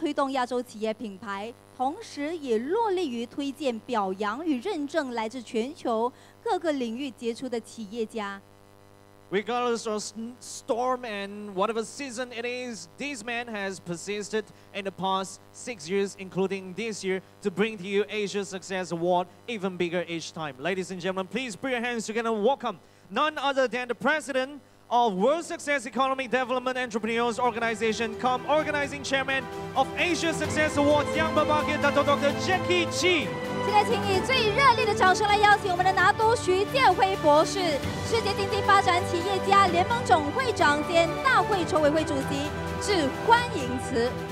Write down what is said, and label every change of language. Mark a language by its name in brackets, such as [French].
[Chinese] 我知道。各位贵宾、先生与女士们，现在我们将为大家邀请一位非常重要的人物上台致辞。他致力于推动亚洲企业品牌。同时也落力于推荐表扬与认证来自全球各个领域杰出的企业家。 [English] Regardless of storm and whatever season it is, this man has persisted in the past 6 years, including this year, to bring to you Asia Success Award even bigger each time. Ladies and gentlemen, please put your hands together and welcome none other than the President of World Success Economic Development Entrepreneurs Organization, come Organizing Chairman of Asia Success Awards, Yang Berbagai Dato Dr. Jackie Chi. [Chinese] 现在请以最热烈的掌声来邀请我们的拿督徐建辉博士, 世界经济发展企业家联盟总会长兼大会筹委会主席, 致欢迎词。